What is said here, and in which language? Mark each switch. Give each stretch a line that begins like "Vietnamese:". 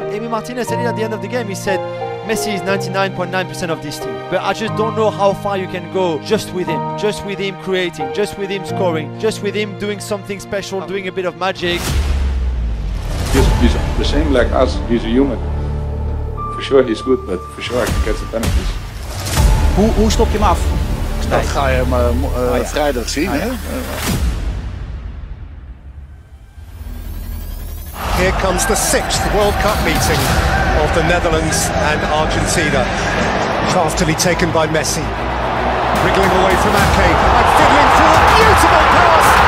English: And Amy Martinez said it at the end of the game. He said, Messi is 99.9% of this team, but I just don't know how far you can go just with him creating, just with him scoring, just with him doing something special, doing a bit of magic. He's the same like us, he's a human. For sure he's good, but for sure I can catch the penalties.
Dutch: Hoe stop je hem af? Dat ga je hem vrijdag zien, hè?
English: Here comes the 6th World Cup meeting of the Netherlands and Argentina. Craftily taken by Messi. Wriggling away from Ake and fiddling through a beautiful pass.